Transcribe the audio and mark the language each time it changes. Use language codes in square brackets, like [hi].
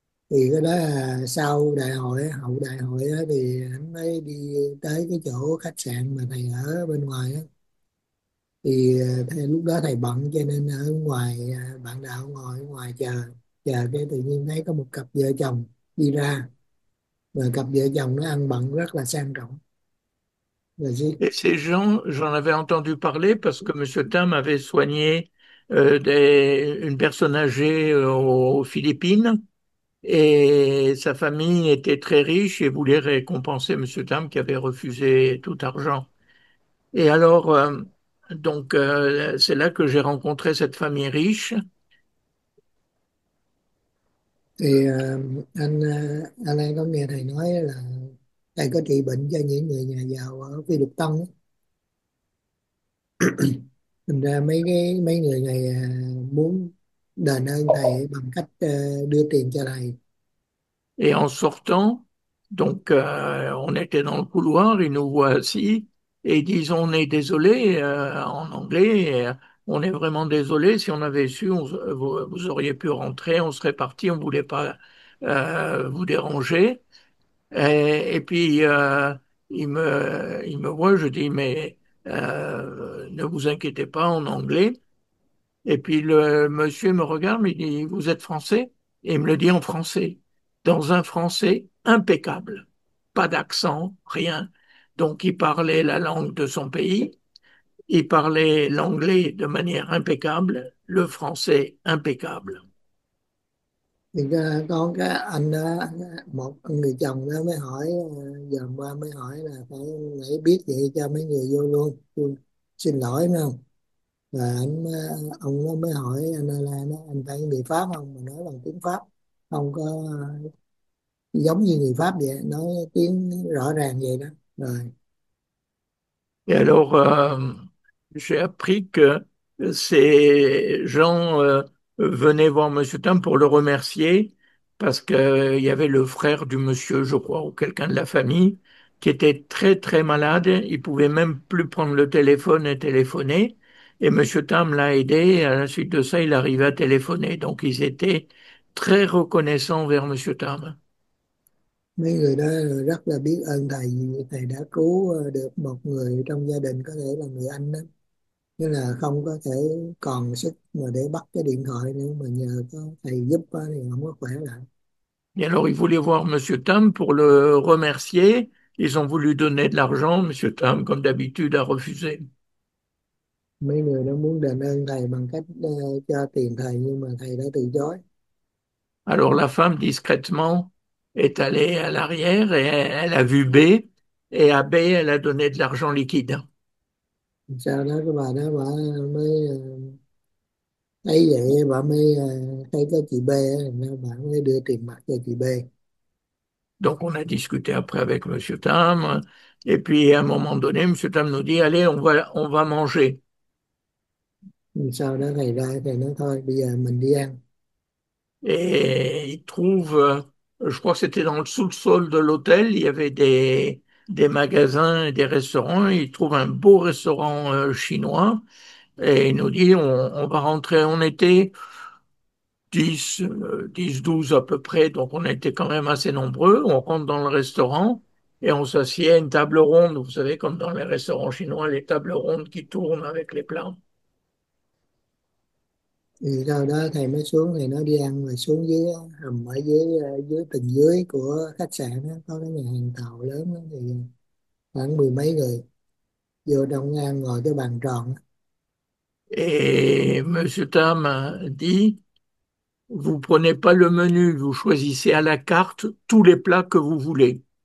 [vi] Thì cái đó là sau đại hội, hậu đại hội đó, thì anh mới đi tới cái chỗ khách sạn mà thầy ở bên ngoài đó. Thì lúc đó thầy bận cho nên ở ngoài bạn đạo ngồi ở ngoài chờ chờ cái tự nhiên thấy có một cặp vợ chồng đi ra, và cặp vợ chồng nó ăn bận rất là sang trọng. [fr] Et ces gens, j'en avais entendu parler parce que Monsieur Tam avait soigné une personne âgée aux Philippines et sa famille était très riche et voulait récompenser Monsieur Tam qui avait refusé tout argent. Et alors, c'est là que j'ai rencontré cette famille riche. [vi] Anh có nghe thầy nói là thầy có trị bệnh cho những người nhà giàu ở Phi Lục Tân ấy. Thành ra mấy người này muốn đền ơn thầy bằng cách đưa tiền cho thầy. [fr] Et en sortant, on était dans le couloir, ils nous voient assis et ils disent, on est désolé, en anglais, on est vraiment désolé, si on avait su, vous auriez pu rentrer, on serait parti, on ne voulait pas vous déranger. Et puis, il me voit, je dis, mais ne vous inquiétez pas en anglais. Et puis le monsieur me regarde, mais il dit, vous êtes français? Et il me le dit en français. Dans un français impeccable, pas d'accent, rien. Donc, il parlait la langue de son pays, il parlait l'anglais de manière impeccable, le français impeccable. [vi] con cái anh đó, một người chồng đó mới hỏi, dòm qua mới hỏi là phải nãy biết vậy cho mấy người vô luôn, tôi xin lỗi phải không? Và anh ông nó mới hỏi anh là anh phải người Pháp không, mà nói bằng tiếng Pháp, không có giống như người Pháp vậy, nói tiếng rõ ràng vậy đó. Rồi [fr] Et alors, j'ai appris que ces gens venaient voir Monsieur Tom pour le remercier parce qu'il y avait le frère du monsieur, je crois, ou quelqu'un de la famille, qui était très très malade. Il pouvait même plus prendre le téléphone et téléphoner. Et Monsieur Tom l'a aidé. Et à la suite de ça, il arrivait à téléphoner. Donc, ils étaient très reconnaissants vers Monsieur Tom. [vi] mấy người đó rất là biết ơn thầy, thầy đã cứu được một người trong gia đình, có thể là người anh đó, nên là không có thể còn sức mà để bắt cái điện thoại nữa, mà nhờ có thầy giúp đó, thì không có khỏe lại. [fr] Et alors, ils voulaient voir Monsieur Tom pour le remercier. Ils ont voulu donner de l'argent. Monsieur Tom, comme d'habitude, a refusé. [vi] Mấy người đó muốn đền ơn thầy bằng cách cho tiền thầy, nhưng mà thầy đã từ chối. [fr] Alors, la femme, discrètement, est allée à l'arrière et elle a vu B. Et à B, elle a donné de l'argent liquide. [vi] Sau đó cái bà đó bà mới thấy vậy, bà mới thấy cái chị B, bà mới đưa tiền mặt cho chị B. [fr] Donc on a discuté après avec Monsieur Tam, et puis à un moment donné, Monsieur Tam nous dit, allez, on va manger. [vi] Sau đó thầy ra thầy nói thôi bây giờ mình đi ăn. [fr] Et il trouve, je crois que c'était dans le sous-sol de l'hôtel, il y avait des magasins et des restaurants, il trouve un beau restaurant chinois, et il nous dit, on va rentrer, on était 10, 12 à peu près, donc on était quand même assez nombreux. On rentre dans le restaurant et on s'assied à une table ronde. Vous savez, comme dans les restaurants chinois, les tables rondes qui tournent avec les plats. [vi] Thì sau đó thầy mới xuống, thầy nói đi ăn, rồi xuống dưới hầm ở dưới dưới tầng dưới của khách sạn đó, có cái nhà hàng tàu lớn đó, thì khoảng mười mấy người vô trong ăn, ngồi cái bàn tròn đó. [fr] Et Monsieur Tam dit, vous prenez pas le menu, vous choisissez à la carte tous les plats que vous voulez.